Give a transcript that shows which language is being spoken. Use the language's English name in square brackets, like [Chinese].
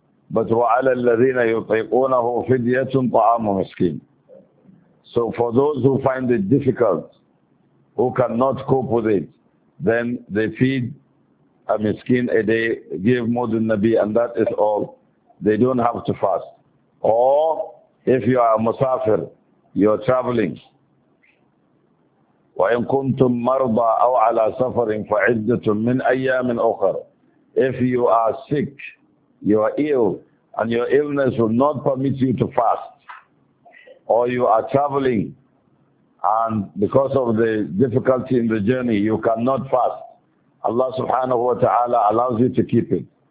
[English] But [Arabic] وَعَلَى الَّذِينَ يُطِيقُونَهُ فِدْيَةٌ طَعَامُ مِسْكِينَ. [English] So for those who find it difficult, who cannot cope with it, then they feed a miskin a day, give more than Nabi, and that is all. They don't have to fast. Or if you are a musafir, you're traveling, [Arabic] وَإِن كُنْتُمْ مَرْضَىٰ أَوْ عَلَىٰ سَفَرٍ فَعِدَّةٌ مِّنْ أَيَّامٍ أُخَرٍ. [English] If you are sick, you are ill, and your illness will not permit you to fast, or you are traveling, and because of the difficulty in the journey, you cannot fast, Allah subhanahu wa ta'ala allows you to keep it.